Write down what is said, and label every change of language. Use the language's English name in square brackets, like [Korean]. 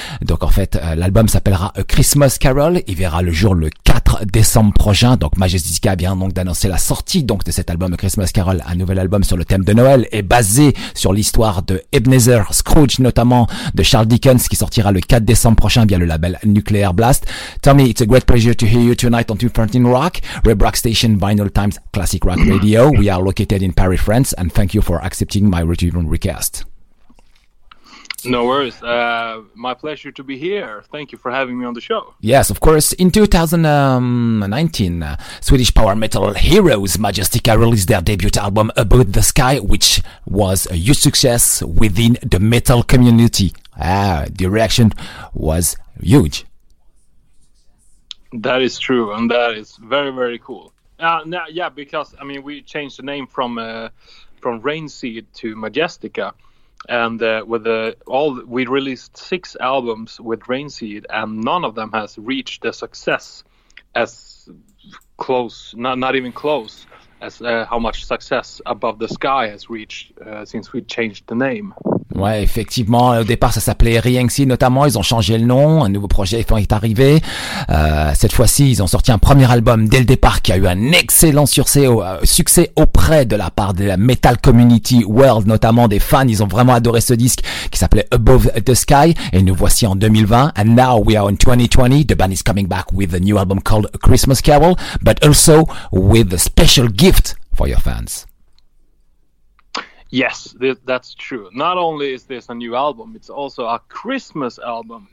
[French] Donc en fait, l'album s'appellera A Christmas Carol, il verra le jour le 4 décembre prochain. Donc Majestica vient donc d'annoncer la sortie donc de cet album A Christmas Carol, un nouvel album sur le thème de Noël et basé sur l'histoire de Ebenezer Scrooge, notamment de Charles Dickens, qui sortira le 4 décembre prochain via le label Nuclear Blast. [English] Tommy, it's a great pleasure to hear you tonight on 213 Rock, Web Rock Station, Vinyl Times, Classic Rock Radio. We are located in Paris, France, and thank you for accepting my return request. No worries. My pleasure to be here. Thank you for having me on the show. Yes, of course. In 2019, Swedish power metal heroes Majestica released their debut album Above the Sky, which was a huge success within the metal community. The reaction was huge. That is true, and that is very, very cool. Because we changed the name from Rainseed to Majestica, and we released 6 albums with Rainseed, and none of them has reached the success as close, not even close, as how much success Above the Sky has reached since we changed the name. [French] Ouais, effectivement, au départ ça s'appelait Rienxi notamment, ils ont changé le nom, un nouveau projet est arrivé. Cette fois-ci, ils ont sorti un premier album dès le départ qui a eu un excellent succès auprès de la part de la [English] metal community world, [French] notamment des fans. Ils ont vraiment adoré ce disque qui s'appelait Above the Sky, et nous voici en 2020. [English] And now we are in 2020, the band is coming back with a new album called A Christmas Carol, but also with a special gift for your fans. Yes, that's true. Not only is this a new album, it's also a Christmas album.